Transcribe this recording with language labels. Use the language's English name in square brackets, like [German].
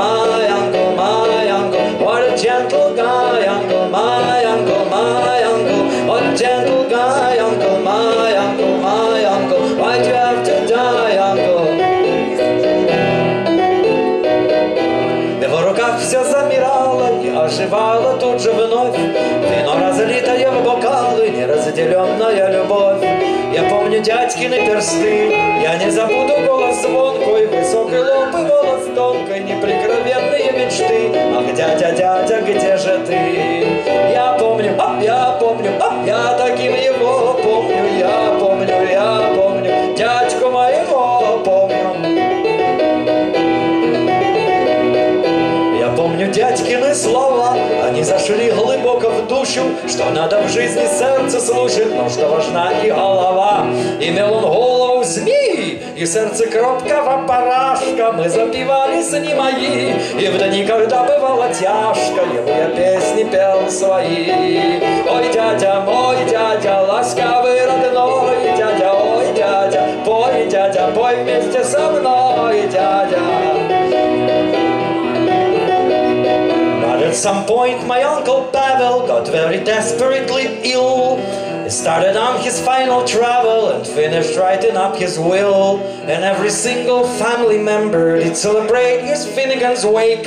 [English] My uncle, what a gentle guy, uncle. My uncle, what a gentle guy, uncle. My uncle, why'd you have to die, uncle? [Russian] В его руках все замирало и оживало тут же вновь. Залитая в бокалы, неразделенная любовь. Я помню дядькины персты, я не забуду голос звонкой, высокий лоб и голос тонкой, непрекровенные мечты. Ах, дядя, дядя, где же ты? Я помню, ап, я помню, ап, я таким его помню. Я помню, дядьку моего помню. Я помню дядькины слова, они зашли глубоко. Что надо в жизни сердце слушать, но что важна и голова. Имел он голову змеи, и сердце кроткого парашка. Мы запивали с ним мои, и в дни, когда бывало тяжко, ему я песни пел свои. Ой, дядя, ласковый родной дядя. Ой, дядя, пой вместе со мной, дядя. [English] At some point, my uncle Pavel got very desperately ill. He started on his final travel and finished writing up his will. And every single family member did celebrate his Finnegan's wake.